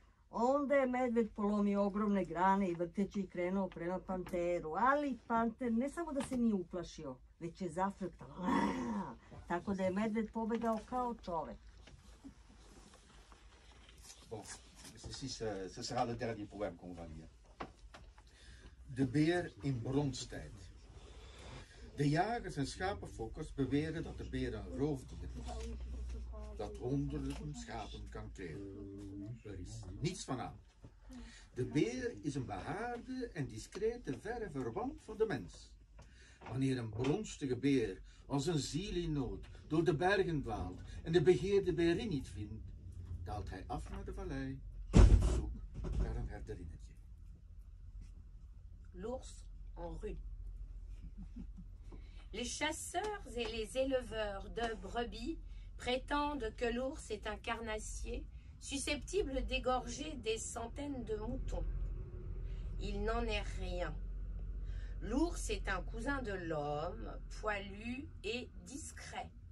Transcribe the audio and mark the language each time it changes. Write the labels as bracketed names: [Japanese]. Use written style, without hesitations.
[Serbian] Onda je medved polomio ogromne grane i vrteći i krenuo prema panteru, ali panter ne samo da se nije uplašio, već je zafrktao. Tako da je medved pobegao kao čovek. [French] Ceci, ce sera le dernier poème qu'on va lire. [Dutch] De beer in bronstijd. De jagers en schapenfokkers beweren dat de beer een roofdier is. Dat honderden schapen kan krijgen. Er is niets van aan. De beer is een behaarde en discrete verre verwant van de mens. Wanneer een bronstige beer als een ziel in nood door de bergen dwaalt en de begeerde beerin niet vindt, daalt hij af naar de vallei op zoek naar een herderinnetje. [French] L'ours en rue. Les chasseurs et les éleveurs de brebis prétendent que l'ours est un carnassier susceptible d'égorger des centaines de moutons. Il n'en est rien. L'ours est un cousin de l'homme, poilu et discret.